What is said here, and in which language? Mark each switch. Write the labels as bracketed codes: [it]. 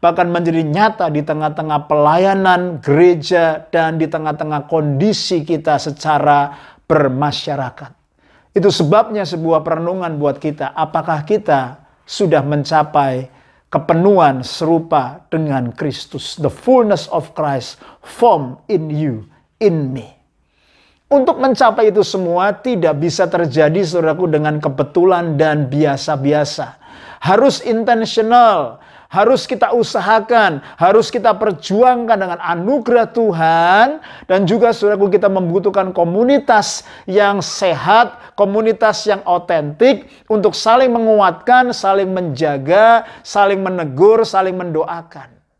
[id] Bahkan menjadi nyata di tengah-tengah pelayanan gereja dan di tengah-tengah kondisi kita secara bermasyarakat. Itu sebabnya sebuah perenungan buat kita. Apakah kita sudah mencapai kepenuhan serupa dengan Kristus? [en] The fullness of Christ form in you, in me. [id] Untuk mencapai itu semua tidak bisa terjadi, saudaraku, dengan kebetulan dan biasa-biasa. Harus intentional. Harus kita usahakan, harus kita perjuangkan dengan anugerah Tuhan. Dan juga, saudaraku, kita membutuhkan komunitas yang sehat, komunitas yang otentik untuk saling menguatkan, saling menjaga, saling menegur, saling mendoakan.